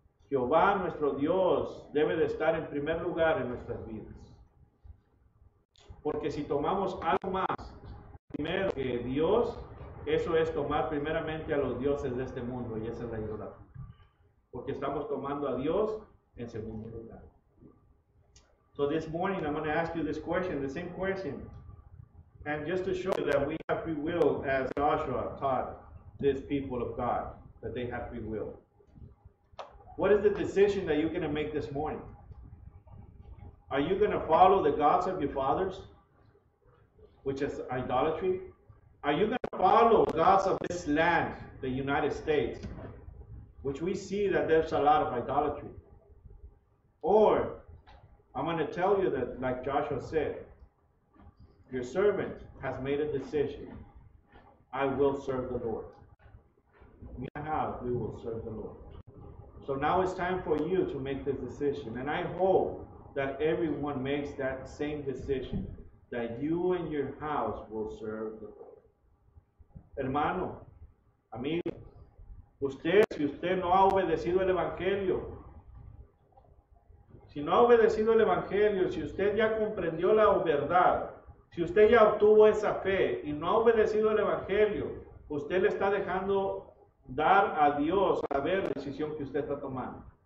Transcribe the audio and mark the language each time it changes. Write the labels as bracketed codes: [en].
[es] Jehová, nuestro Dios, debe de estar en primer lugar en nuestras vidas. Porque si tomamos algo más primero que Dios, eso es tomar primeramente a los dioses de este mundo, y esa es la idolatría. Porque estamos tomando a Dios en segundo lugar. [en] So this morning I'm going to ask you this question, the same question. And just to show you that we have free will, as Joshua taught this people of God, that they have free will. What is the decision that you're going to make this morning? Are you going to follow the gods of your fathers, which is idolatry? Are you going to follow the gods of this land, the United States, which we see that there's a lot of idolatry? Or I'm going to tell you that, like Joshua said, your servant has made a decision. I will serve the Lord. Now we will serve the Lord. So now it's time for you to make this decision. And I hope that everyone makes that same decision, that you and your house will serve the Lord. [es] Hermano, amigo, usted, si usted no ha obedecido el Evangelio, si no ha obedecido el Evangelio, si usted ya comprendió la verdad, si usted ya obtuvo esa fe y no ha obedecido el Evangelio, usted le está dejando dar a Dios a ver la decisión que usted está tomando.